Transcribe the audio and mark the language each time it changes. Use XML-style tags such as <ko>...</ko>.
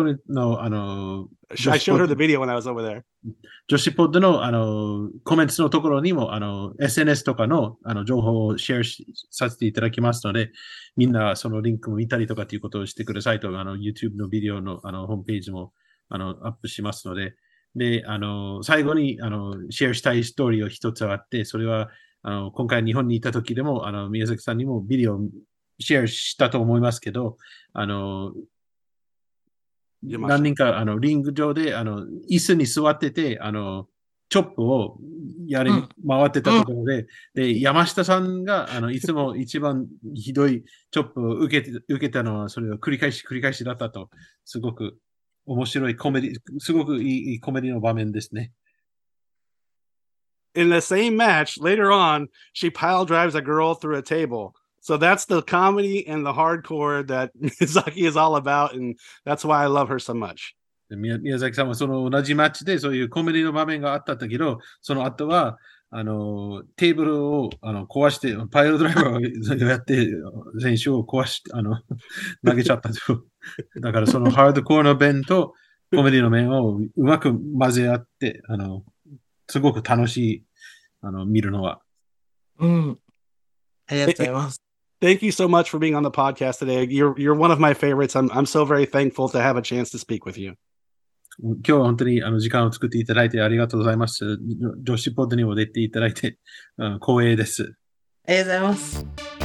<en>I showed her the video when I was over there.</en> <ja>ジョシポッドの、あのコメントのところにも、あの SNS とかの、あの情報をシェアさせていただきますので、みんなそのリンクも見たりとかということをしてくださいと、あの YouTube のビデオ の, あのホームページもあのアップしますので、で、あの最後にあのシェアしたいストーリーを一つあって、それはあの今回日本にいた時でも、あの宮崎さんにもビデオをシェアしたと思いますけど、あの何人かあのリング上であの椅子に座ってて、あのチョップをやり、うん、回ってたところで、うん、で、山下さんが、いつも一番ひどいチョップを受けたのは、それを繰り返し繰り返しだったと、すごく面白いコメディ、すごくいいコメディの場面ですね。</ja> <en>In the same match, later on, she pile drives a girl through a table. So that's the comedy and the hardcore that Miyazaki is all about, and that's why I love her so much.</en> <ja>Miyazaki さんはその同じマッチでそういうコメディの場面があったけど、その後はテーブルを壊して、パイルドライバーをやって、選手を壊して、投げちゃったと。だからそのハードコアの面とコメディの面をうまく混ぜ合って、すごく楽しい、見るのは。うん。ありがとうございます。</ja> <en>Thank you so much for being on the podcast today. You're one of my favorites. I'm so very thankful to have a chance to speak with you.</en> <ja>今日は本当に時間を作っていただいてありがとうございます。女子ポッドにも出ていただいて光栄です。ありがとうございます。</ja>